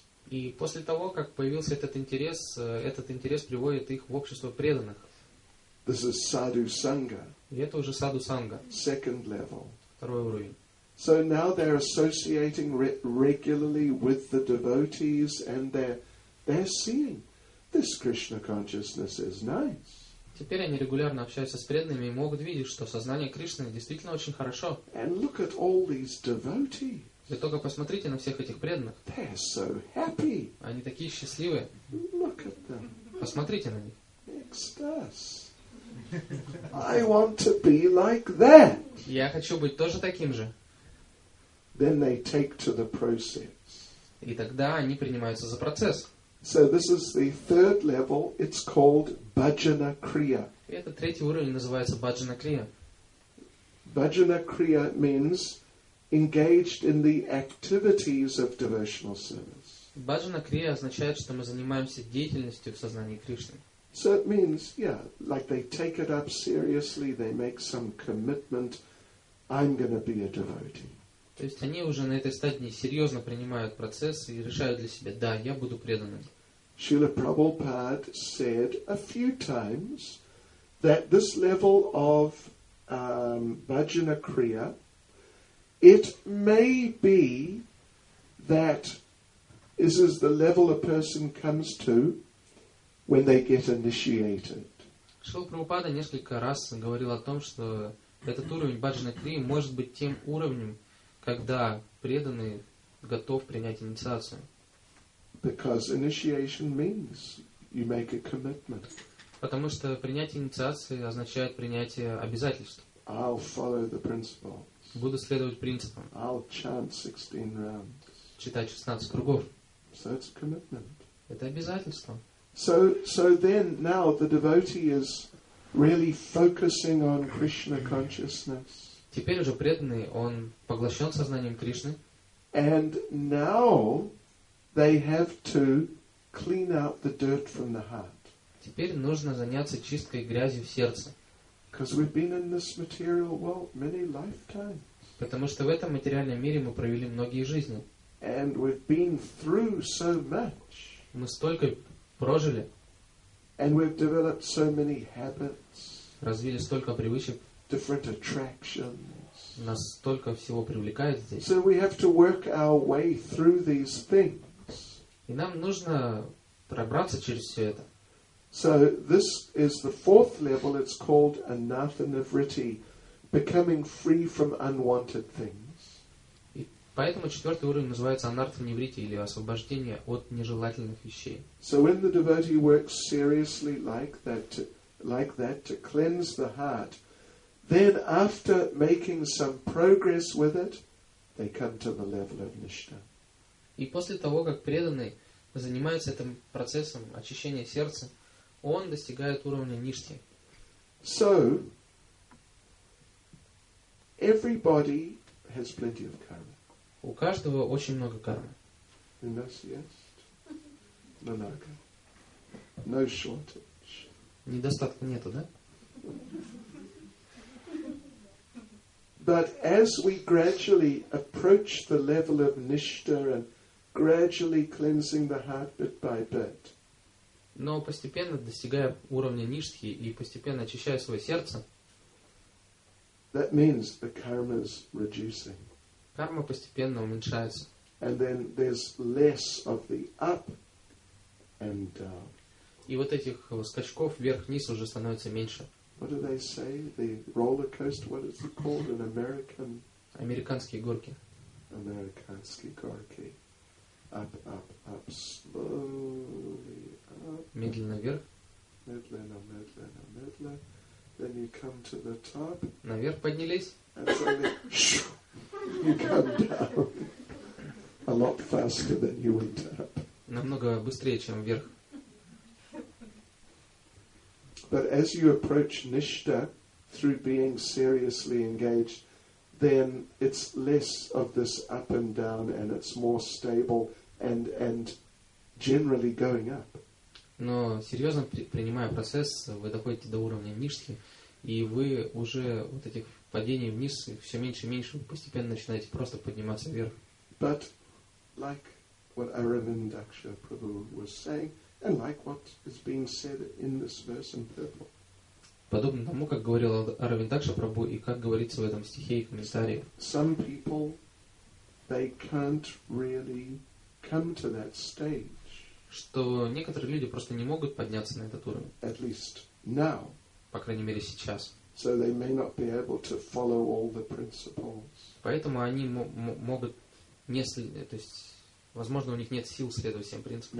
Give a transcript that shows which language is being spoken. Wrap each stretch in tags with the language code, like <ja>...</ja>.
<ru>И после того, как появился этот интерес приводит их в общество преданных.</ru> <en>This is Sadhu Sangha.</en> <ru>И это уже Sadhu Sangha.</ru> <en>Second level.</en> <ru>Второй уровень.</ru> <en>So now they're associating regularly with the devotees and they're seeing this Krishna consciousness is nice.</en> <ru>Теперь они регулярно общаются с преданными и могут видеть, что сознание Кришны действительно очень хорошо.</ru> <en>And look at all these devotees.</en> <ru>Вы только посмотрите на всех этих преданных.</ru> <en>They're so happy.</en> <ru>Они такие счастливые.</ru> <en>Look at them.</en> <ru>Посмотрите на них. Экстаз.</ru> <en>I want to be like that.</en> <ru>Я хочу быть тоже таким же.</ru> <en>Then they take to the process.</en> <ru>И тогда они принимаются за процесс.</ru> <en>So this is the third level. It's called Bhajana Kriya.</en> <ru>Это третий уровень, называется Bhajana Kriya.</ru> <en>Bhajana Kriya means engaged in the activities of devotional service.</en> <ru>Bhajana Kriya означает, что мы занимаемся деятельностью в сознании Кришны.</ru> <en>So it means, yeah, like they take it up seriously, they make some commitment, I'm going to be a devotee.</en> <ru>То есть они уже на этой стадии серьезно принимают процесс и решают для себя, да, я буду преданным.</ru> <en>Srila Prabhupada said a few times that this level of Bhajana Kriya, it may be that this is the level a person comes to when they get initiated.</en> <ru>Srila Prabhupada несколько раз говорил о том, что этот уровень Bhajana Kriya может быть тем уровнем, когда преданный готов принять инициацию.</ru> <en>Because initiation means you make a commitment.</en> <ru>Потому что принятие инициации означает принятие обязательств.</ru> <en>I'll follow the principles.</en> <ru>Буду следовать принципам.</ru> <en>I'll chant 16 rounds.</en> <ru>Читать 16 кругов.</ru> <en>So it's a commitment.</en> <ru>Это обязательство.</ru> <en>So then now the devotee is really focusing on Krishna consciousness.</en> <ru>Теперь уже преданный, он поглощен сознанием Кришны.</ru> <en>And now they have to clean out the dirt from the heart.</en> <ru>Теперь нужно заняться чисткой грязи в сердце.</ru> <en>Because we've been in this material world many lifetimes.</en> <ru>Потому что в этом материальном мире мы провели многие жизни.</ru> <en>And we've been through so much.</en> <ru>Мы столько прожили.</ru> <en>And we've developed so many habits.</en> <ru>Развили столько привычек.</ru> <en>Different attractions.</en> <ru>Нас столько всего привлекает здесь.</ru> <en>So we have to work our way through these things.</en> <ru>И нам нужно пробраться через все это.</ru> <en>So this is the fourth level. It's called anatta nivritti, becoming free from unwanted things.</en> <ru>И поэтому четвертый уровень называется anatta nivritti или освобождение от нежелательных вещей.</ru> <en>So when the devotee works seriously like that to cleanse the heart. Then after making some progress with it, they come to the level of Nishta.</en> <ru>И после того, как преданный занимается этим процессом очищения сердца, он достигает уровня Ништи.</ru> <en>So, everybody has plenty of karma.</en> <ru>У каждого очень много кармы.</ru> <en>Unless, yes. No shortage.</en> <ru>Недостатка нету, да?</ru> <en>But as we gradually approach the level of Nishta and gradually cleansing the heart bit by bit.</en> <ru>Но постепенно достигая уровня Ништхи и постепенно очищая свое сердце.</ru> <en>That means the karma is reducing.</en> <ru>Карма постепенно уменьшается.</ru> <en>And then there's less of the up and down.</en> <ru>И вот этих скачков вверх-вниз уже становится меньше.</ru> <en>What do they say? The roller coaster, what is it called? An American...</en> <ru>Американские горки. Американские горки.</ru> <en>Up, up, up, slowly up.</en> <ru>Медленно вверх. Медленно.</ru> <en>Then you come to the top.</en> <ru>Наверх поднялись.</ru> <en>And suddenly, you come down. A lot faster than you went up.</en> <ru>Намного быстрее, чем вверх.</ru> <en>But as you approach Nishta through being seriously engaged, then it's less of this up and down, and it's more stable and generally going up.</en> <ru>Но серьезно принимая процесс, вы доходите до уровня Ништхи, и вы уже вот этих падений вниз все меньше и меньше, вы постепенно начинаете просто подниматься вверх.</ru> <en>But like what Aravindaksha Prabhu was saying, and like what is being said in this verse in purple.</en> <ru>Подобно тому, как говорил Аравиндакша Прабху, и как говорится в этом стихе и комментарии.</ru> <en>Some people, they can't really come to that stage.</en> <ru>Что некоторые люди просто не могут подняться на этот уровень.</ru> <en>At least now.</en> <ru>По крайней мере сейчас.</ru> <en>So they may not be able to follow all the principles.</en> <ru>Поэтому они могут не следовать, то есть, возможно, у них нет сил следовать всем принципам.</ru>